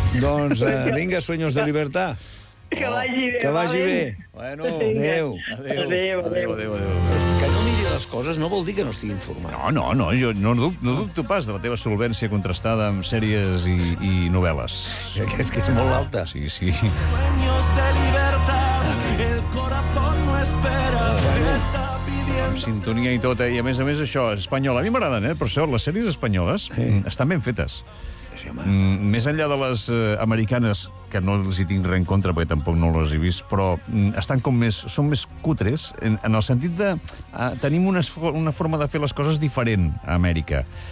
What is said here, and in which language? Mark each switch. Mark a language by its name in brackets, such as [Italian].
[Catalan] Doncs vinga, sueños de libertad. Que vagi bé. Adéu. Adéu. Que no miri les coses no vol dir que no estigui informat. No, jo no dubto pas de la teva solvència contrastada amb sèries i novel·les. És que és molt alta. Sí. [Spanish] Sueños de libertad, el corazón no espera, está pidiendo... [Catalan] Amb sintonia i tot, i a més això, espanyol. A mi m'agraden, però això, les sèries espanyoles estan ben fetes. Més enllà de les americanes, que no els hi tinc res en contra, perquè tampoc no les he vist, però estan com més, són més cutres, en el sentit de... tenim una forma de fer les coses diferent a Amèrica.